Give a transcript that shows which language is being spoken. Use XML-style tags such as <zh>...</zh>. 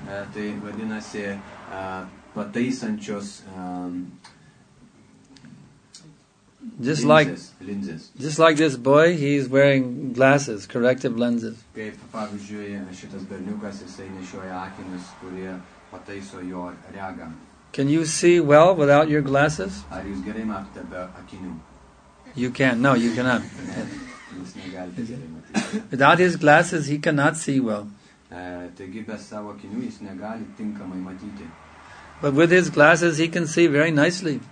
<lt>Tai vadinasi pataisančios</lt> <en>just linses. Just like this boy, he's wearing glasses, corrective lenses.</en> <lt>Kaip pavyzdžiui, šitas berniukas, jisai nešioja akinius, kurie pataiso jo regą.</lt> <en>Can you see well without your glasses?</en> <lt>Ar jūs gerai matote be akinių?</lt> <en>You can't. No, you cannot.</en> <lt>Jūs negalite gerai matyti.</lt> <en>Without his glasses, he cannot see well.</en> <lt>Taigi be savo akinių jis negali tinkamai matyti.</lt> <en>But with his glasses, he can see very nicely.</en>